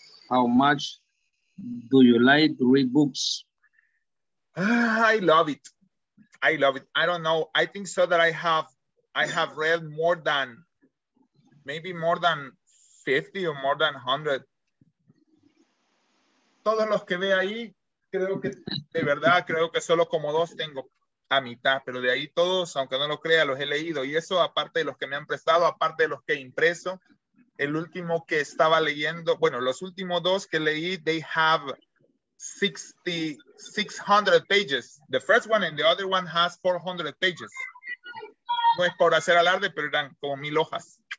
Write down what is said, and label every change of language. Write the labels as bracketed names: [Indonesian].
[English] How much do you like to read books? I love it. I love it. I don't know. I think so that I have read more than, maybe more than 50 or more than 100. [Spanish] Todos los que ve ahí, creo que, de verdad, creo que solo como dos tengo a mitad, pero de ahí todos, aunque no lo crea, los he leído. Y eso, aparte de los que me han prestado, aparte de los que he impreso, el último que estaba leyendo, bueno, los últimos dos que leí, [English] they have 600 pages. The first one and the other one has 400 pages. [Spanish] No es por hacer alarde, pero eran como 1,000 hojas.